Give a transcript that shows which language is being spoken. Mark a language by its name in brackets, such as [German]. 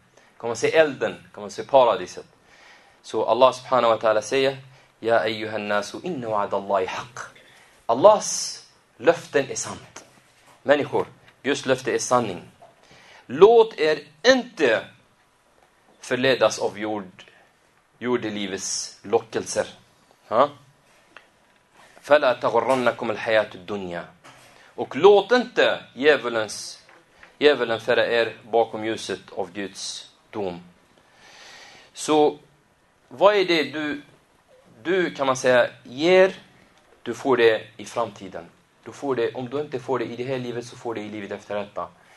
[Swedish] Du kommer att se elden. Du kommer att se paradiset. Så Allah subhanahu wa ta'ala säger, [Arabic] ya ayyuhan nasu inna wa'adallahi haqq. [Swedish] Allahs löften är sant. Människor, Guds löfte är sanning. Låt er inte förledas av jordelivets lockelser. Ha? [Arabic] فلا تغرنكم الحياة الدنيا. [Swedish] Och låt inte djävulen föra er bakom ljuset av Guds dom. Så vad är det du kan man säga ger, du får det i framtiden. Du får det, om du inte får det i det här livet, så får det i livet efter detta.